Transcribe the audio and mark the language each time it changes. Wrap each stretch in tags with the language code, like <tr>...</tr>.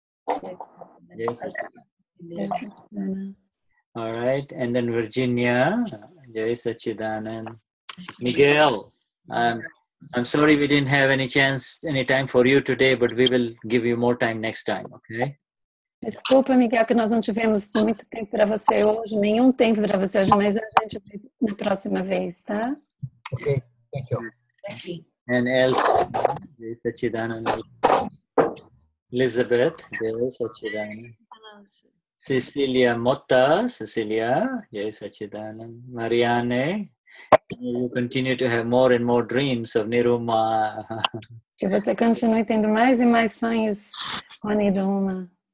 <en>Jai Sachidana. All right. And then Virginia. Jai Sachidana. Miguel. I'm sorry we didn't have any time for you today, but we will give you more time next time, okay?</en> <pt>Desculpa, Miguel, que nós não tivemos muito tempo para você hoje, nenhum tempo para você hoje, mas a gente vai na próxima vez, tá?</pt> <en>Okay, thank you. And Elsa, Jai Sachidananda. Elizabeth, Jai Sachidananda. Cecilia Motta, Cecilia, Jai Sachidananda. Marianne. You continue to have more and more dreams of Niruma.</en> <pt>Que você continue tendo mais e mais sonhos com a Niruma.</pt>